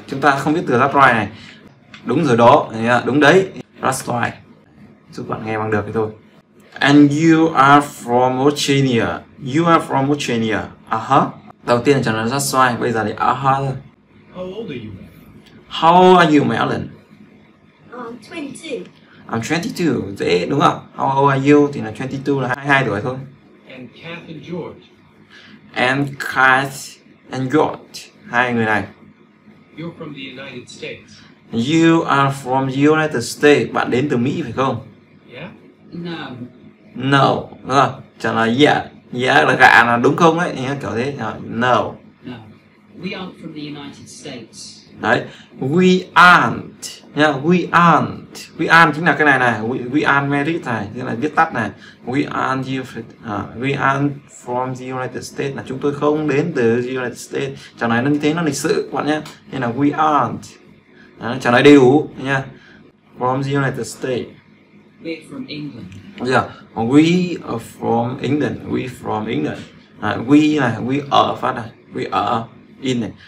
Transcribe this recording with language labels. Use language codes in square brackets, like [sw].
[vi] Chúng ta không biết từ that's right này. Đúng rồi đó, đúng đấy. [en] That's right. [vi] Giúp bạn nghe bằng được thì thôi. [en] And you are from Australia. You are from Australia. Uh-huh. [vi] Đầu tiên là trả lời rất sai, bây giờ thì aha thôi. [en] How old are you? How old are you, Melon? I'm 22. I'm 22, [vi] dễ đúng không? [en] How old are you? [vi] Thì là 22 là 22 tuổi thôi. [en] And Kath and George. And Kath And George, [vi] hai người này. [en] You're from the United States. You are from the United States. [vi] Bạn đến từ Mỹ phải không? [en] Yeah. No. No. [vi] Rồi, trả lời yeah. Yeah là gạ là đúng không đấy, kiểu thế. [en] No. No. We aren't from the United States. Đấy. We aren't. Yeah, we aren't. We aren't [vi] chính là cái này này. [en] We aren't married [vi] này. Tức là viết tắt này. [en] We aren't you. We aren't from the United States. [vi] Là chúng tôi không đến từ the United States. Trả lời nó như thế, nó lịch sự các bạn nhé. Nên là [en] we aren't. [vi] Trả lời đầy đủ nha. [en] From the United States. We're from England. Yeah. We are from England. We from England. We này. We are phát này. We are. In này.